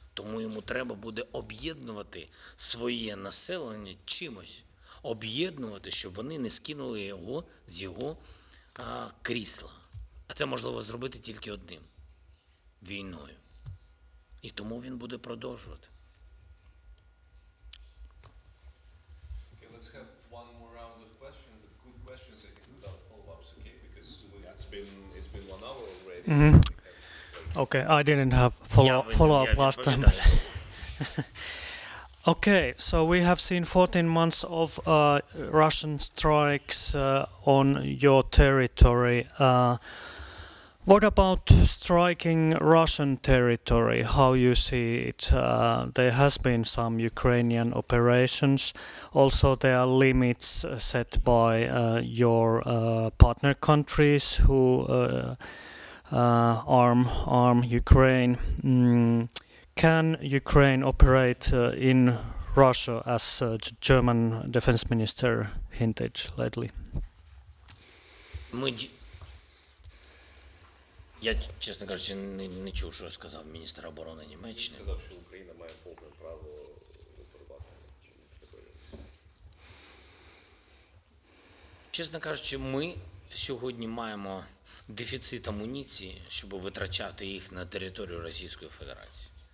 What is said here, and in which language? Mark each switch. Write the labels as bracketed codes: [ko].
[uk] Тому йому треба буде об'єднувати своє населення чимось, об'єднувати, щоб вони не скинули його з його крісла. А це можливо зробити тільки одним – війною. І тому він буде продовжувати. [en] Let's have one more round of questions, good questions, I think, without follow-ups, okay? Because it's been 1 hour already. Mm-hmm. Okay, I didn't have follow-up last time. But okay, so we have seen 14 months of Russian strikes on your territory. What about striking Russian territory? How you see it? There has been some Ukrainian operations. Also, there are limits set by your partner countries who arm Ukraine. Can Ukraine operate in Russia, as German defense minister hinted lately? [uk] Я, чесно кажучи, не чув, що сказав міністр оборони Німеччини. Він сказав, що Україна має повне право вибирати. Чесно кажучи, ми сьогодні маємо дефіцит амуніції, щоб витрачати їх на територію Російської Федерації.